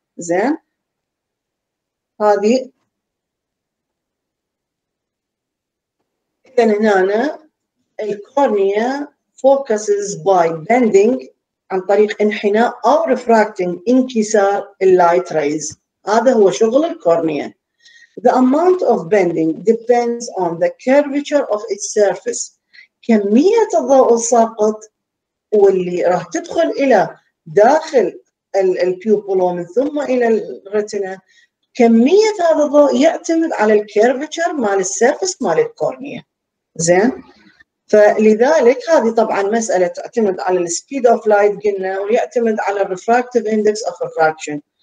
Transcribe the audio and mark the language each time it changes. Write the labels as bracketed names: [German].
[Arabic] زين، هذه إذن هنا الكورنيا [English] focuses by bending [Arabic] عن طريق انحناء أو refracting انكسار اللايت رايز. هذا هو شغل الكورنيا. [English] The amount of bending depends on the curvature of its surface. [Arabic] كمية الضوء الساقط واللي راح تدخل إلى داخل البيوبل ومن ثم إلى الرتنة، كمية هذا الضوء يعتمد على الكيرفتشر مال السيرفس مال الكورنيا. زين، فلذلك هذه طبعا مسألة تعتمد على السبيد أوف لايت قلنا، ويعتمد على الرفراكتيف إندكس أوف ريفراكشن.